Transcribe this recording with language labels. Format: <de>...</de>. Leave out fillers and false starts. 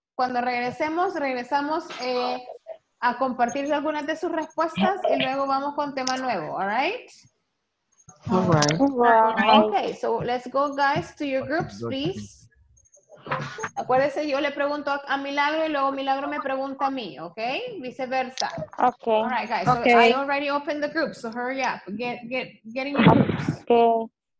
<es>Cuando regresamos, a compartir algunas de sus respuestas y luego vamos con tema nuevo, all right?</es> <en>All right. Okay, so let's go, guys, to your groups, please.</en> <es>Acuérdense, yo le pregunto a Milagro y luego Milagro me pregunta a mí, okay? Viceversa.</es> <en>Okay. All right, guys, okay. So I already opened the group, so hurry up. Get in your groups. Okay.</en>